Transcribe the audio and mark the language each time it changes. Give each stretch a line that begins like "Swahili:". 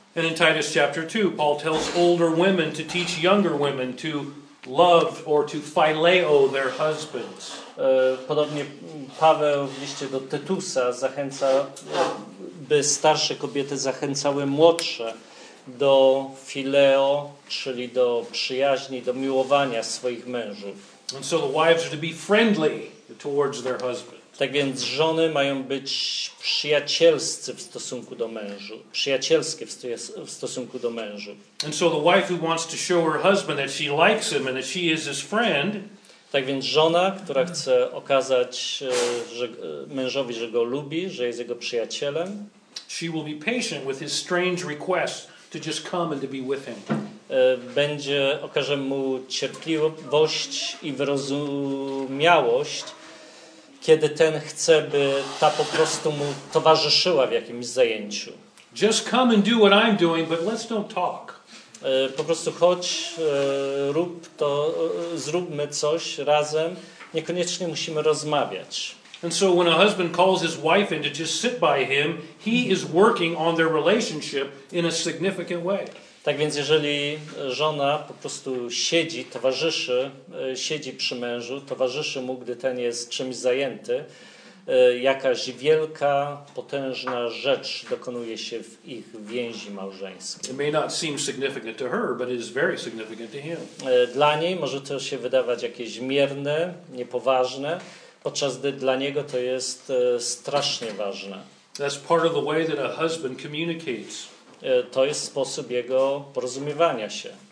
English: And in Titus chapter 2 Paul tells older women to teach younger women to love or to phileo their husbands.
Polish: Podobnie Paweł w liście do Tytusa zachęca, by starsze kobiety zachęcały młodsze do phileo, czyli do przyjaźni, do miłowania swoich mężów.
English: And so the wives are to be friendly towards their husband.
Polish: Tak więc żony mają być przyjacielskie w stosunku do mężu. Przyjacielskie w stosunku do mężu.
English: And so the wife who wants to show her husband that she likes him and that she is his friend.
Polish: Tak więc żona, która chce okazać mężowi, że go lubi, że jest jego przyjacielem.
English: She will be patient with his strange request to just come and to be with him.
Polish: Będzie, okaże mu cierpliwość i wyrozumiałość, kiedy ten chce, by ta po prostu mu towarzyszyła w jakimś zajęciu.
English: Just come and do what I'm doing, but let's don't talk.
Polish: Po prostu chodź, rób to, zróbmy coś razem. Niekoniecznie musimy rozmawiać.
English: And so when a husband calls his wife in to just sit by him, he is working on their relationship in a significant way.
Polish: Tak więc jeżeli żona po prostu siedzi, towarzyszy, siedzi przy mężu, towarzyszy mu, gdy ten jest czymś zajęty, jakaś wielka, potężna rzecz dokonuje się w ich więzi małżeńskiej.
English: It may not seem significant to her, but it is very significant to him.
Polish: Dla niej może to się wydawać jakieś mierne, niepoważne, podczas gdy dla niego to jest strasznie ważne.
English: That's part of the way that a husband communicates.
Polish: To jest sposób jego porozumiewania się.